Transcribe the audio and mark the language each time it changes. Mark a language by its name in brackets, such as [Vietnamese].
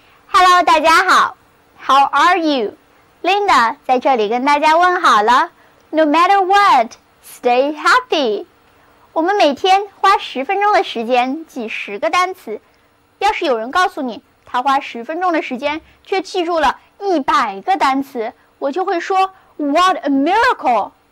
[English] Hello, [Chinese] 大家好。 [English] How are you? [Chinese] Linda 在这里跟大家问好了。 [English] No matter what, stay happy. [Chinese] 我们每天花十分钟的时间记十个单词。要是有人告诉你，他花十分钟的时间却记住了一百个单词，我就会说 [English] What a miracle!